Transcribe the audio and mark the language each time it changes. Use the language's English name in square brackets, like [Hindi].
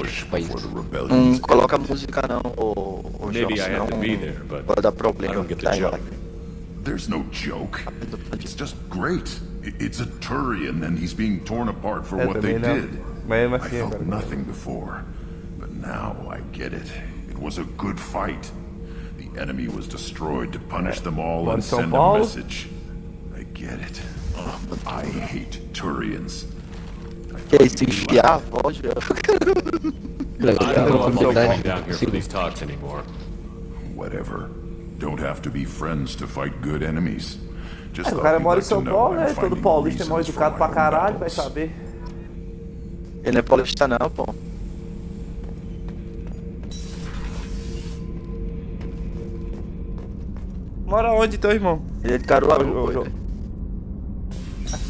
[Portuguese] não coloca música não, ou Jones, não pode dar problema, tá aí, [English] there's no joke. It's just great. It's a Turian and he's being torn apart for what they did. [Portuguese] Mas [English] I felt nothing before, but now I get it. It was a good fight. The enemy was destroyed to punish them all and send a message. I get it. I hate Turians. [Portuguese] Que é isso, enfiar a voz, velho? Eu não vou ficar aqui para essas talks [English] anymore. Whatever. Don't have to be friends to fight good enemies. [Portuguese] Just o cara mora em São Paulo, né? Todo paulista é mal educado pra caralho, vai saber. Ele é paulista não, pô. Mora onde então, irmão? Ele é de Caruaru, pô. Ah,